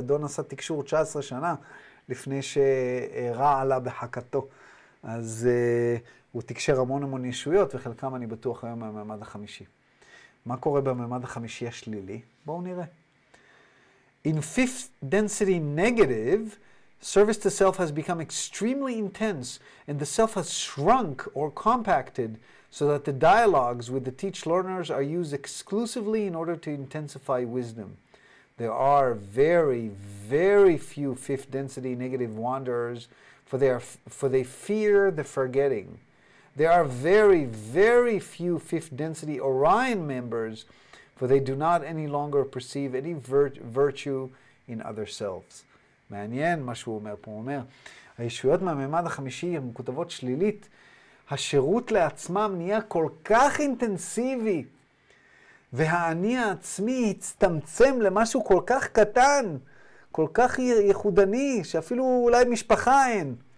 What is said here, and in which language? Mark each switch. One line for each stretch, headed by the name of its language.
Hebrew: דון עשה תקשור 19 שנה לפני שראה עלה בחקתו. אז הוא תקשר המון המון ישויות, וחלקם אני בטוח היום בממד החמישי. מה קורה בממד החמישי השלילי? בואו נראה.
English: In fifth density negative, service to self has become extremely intense, and the self has shrunk or compacted so that the dialogues with the teach learners are used exclusively in order to intensify wisdom. There are very, very few fifth density negative wanderers, for they fear the forgetting. There are very, very few fifth density Orion members, for they do not any longer perceive any virtue in other selves.
Hebrew: מעניין מה שהוא אומר פה. הוא אומר, הישויות מהממד החמישי הן כותבות שלילית, השירות לעצמם נהיה כל כך אינטנסיבי, והאני העצמי הצטמצם למשהו כל כך קטן, כל כך ייחודני, שאפילו אולי משפחה אין.